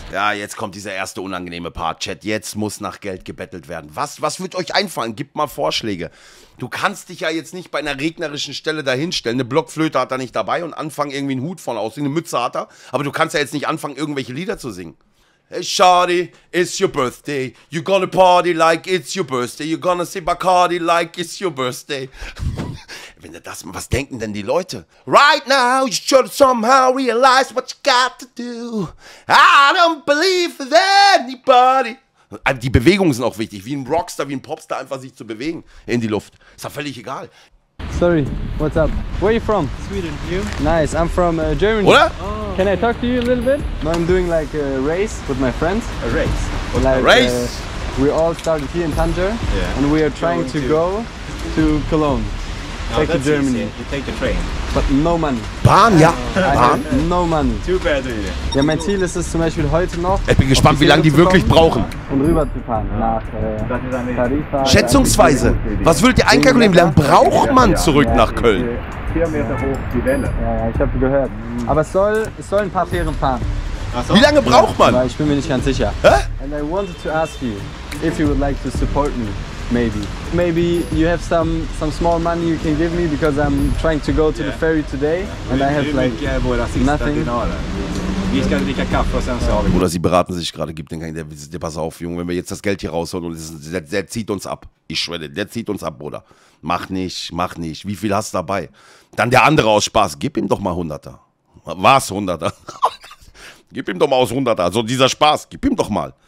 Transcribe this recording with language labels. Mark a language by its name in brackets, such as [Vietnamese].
[German] Ja, jetzt kommt dieser erste unangenehme Part. Chat, jetzt muss nach Geld gebettelt werden. Was wird euch einfallen? Gib mal Vorschläge. Du kannst dich ja jetzt nicht bei einer regnerischen Stelle dahinstellen. Eine Blockflöte hat er nicht dabei und anfangen, irgendwie einen Hut von aus. Eine Mütze hat er. Aber du kannst ja jetzt nicht anfangen, irgendwelche Lieder zu singen. [English] Hey Shawty, it's your birthday. You gonna party like it's your birthday. You gonna sip Bacardi like it's your birthday. [German] Wenn du das mal, was denken denn die Leute? [English] Right now, you should somehow realize what you got to do. I don't believe in anybody. [German] Die Bewegungen sind auch wichtig. Wie ein Rockstar, wie ein Popstar, einfach sich zu bewegen in die Luft. Ist doch völlig egal. [English] Sorry, what's up? Where are you from? Sweden, you? Nice, I'm from Germany. [German] Oder? Oh. [English] Can I talk to you a little bit? No, I'm doing like a race with my friends. A race? Like, a race? We all started here in Tanger. Yeah. And we are trying to go to Cologne. No, take to Germany. Easy. You take the train. But no money. [German] Bahn, ja. Bahn? [English] No money. Too bad, really. [German] Ja, mein Ziel ist es zum Beispiel heute noch. Ich bin gespannt, wie lange die wirklich brauchen. Und rüberzufahren nach Tarifa. Schätzungsweise, was würdet ihr einkalkulieren? Wie lange braucht man zurück nach Köln? 4 Meter hoch, die Welle. Ja, ich habe gehört. Aber es soll ein paar Fähren fahren. Wie lange braucht man? Ich bin mir nicht ganz sicher. Hä? [English] And I wanted to ask you, if you would like to support me. Maybe you have some small money you can give me because I'm trying to go to the ferry today and I have like nothing. [German] Oder sie beraten sich gerade, gibt den keinen, der pass auf, Junge, wenn wir jetzt das Geld hier rausholen, und der zieht uns ab. Ich schwöre, der zieht uns ab, Bruder. Mach nicht. Wie viel hast du dabei? Dann der andere aus Spaß, gib ihm doch mal 100er. Was, 100er? Gib ihm doch mal aus 100er. Also dieser Spaß, gib ihm doch mal.